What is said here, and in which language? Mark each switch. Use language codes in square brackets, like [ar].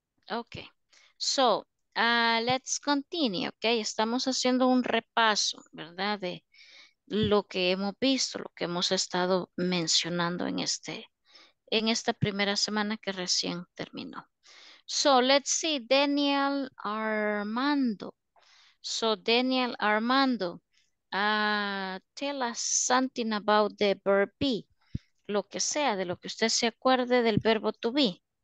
[en] Ok, so. Let's continue, ok. [es] Estamos haciendo un repaso, ¿verdad?, de lo que hemos visto, lo que hemos estado mencionando en esta primera semana que recién terminó. [en] So, let's see, [es] Daniel Armando. [en] So Daniel Armando, tell us something about the verb be. [es] Lo que sea, de lo que usted se acuerde del verbo to be.